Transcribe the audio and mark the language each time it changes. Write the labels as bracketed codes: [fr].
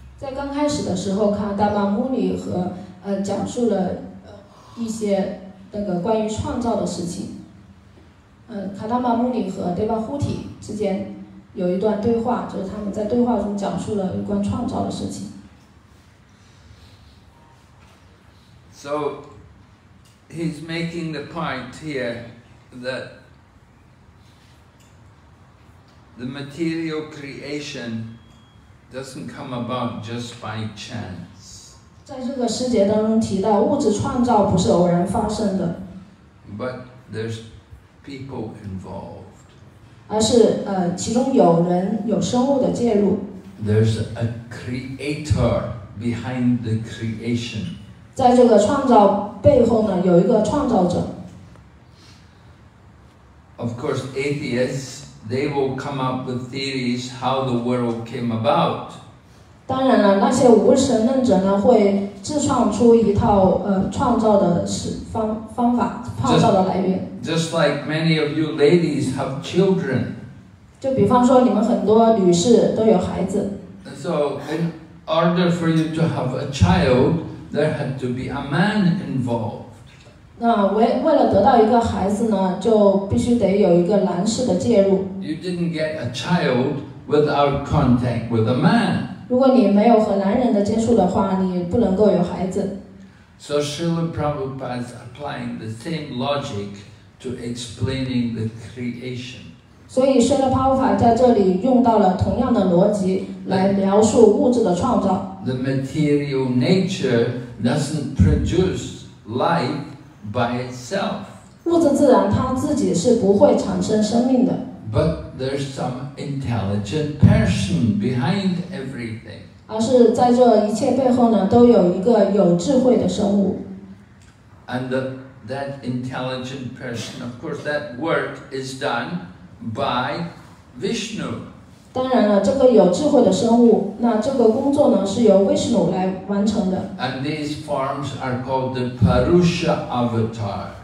[zh] 在刚开始的时候，看大妈穆尼和讲述了一些那个关于创造的事情。卡大妈穆尼和德巴呼提之间有一段对话，就是他们在对话中讲述了有关创造的事情。 [en] So he's making the point here that the material creation. Doesn't come about just by chance. [zh] 在这个世界当中提到物质创造不是偶然发生的。 [en] But there's people involved. [zh] 而是其中有人有生物的介入。 [en] There's a creator behind the creation. [zh] 在这个创造背后呢，有一个创造者。 [en] Of course, atheists. They will come up with theories how the world came about. [zh] 当然了，那些无神论者呢，会自创出一套创造的方法，创造的来源。 [en] Just like many of you ladies have children. [zh] 就比方说，你们很多女士都有孩子。 [en] So in order for you to have a child, there had to be a man involved. [zh] 那为了得到一个孩子呢，就必须得有一个男士的介入。 [en] You didn't get a child without contact with a man. [zh] 如果你没有和男人的接触的话，你不能够有孩子。 [en] So Srila Prabhupada is applying the same logic to explaining the creation. [zh] 所以Srila Prabhupada在这里用到了同样的逻辑来描述物质的创造。 [en] The material nature doesn't produce life. By itself, [zh] 物质自然它自己是不会产生生命的。 [en] But there's some intelligent person behind everything. [zh] 而是在这一切背后呢，都有一个有智慧的生物。 [en] And that intelligent person, of course, that work is done by Vishnu. [zh] 当然了，这个有智慧的生物，那这个工作呢，是由 Vishnu 来完成的。 [en] And these forms are called the Purusha avatars.